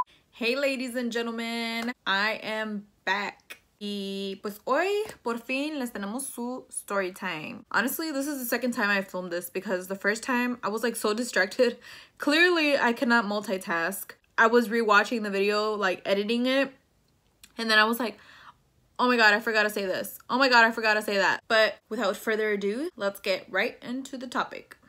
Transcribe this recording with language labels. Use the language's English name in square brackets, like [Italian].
[English] Hey, ladies and gentlemen, I am back. [Spanish] Y pues hoy, por fin, les tenemos su [English] story time. Honestly, this is the second time I filmed this because the first time I was like so distracted. Clearly, I cannot multitask. I was rewatching the video, like editing it, and then I was like, oh my god, I forgot to say this. Oh my god, I forgot to say that. But without further ado, let's get right into the topic.